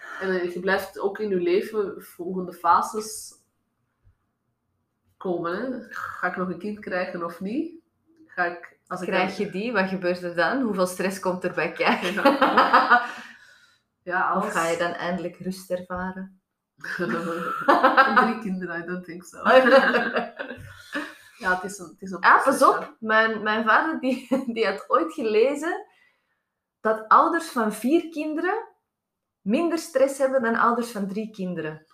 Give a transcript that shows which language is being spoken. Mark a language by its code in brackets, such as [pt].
[nl] En je blijft ook in je leven volgende fases... komen. Ga ik nog een kind krijgen of niet? Wat gebeurt er dan? Hoeveel stress komt er bij kijken? Ja, of ga je dan eindelijk rust ervaren? 3 kinderen, [en] I don't think so. [nl] Ja, het is een proces, pas op. Ja. Mijn vader die had ooit gelezen dat ouders van 4 kinderen minder stress hebben dan ouders van 3 kinderen.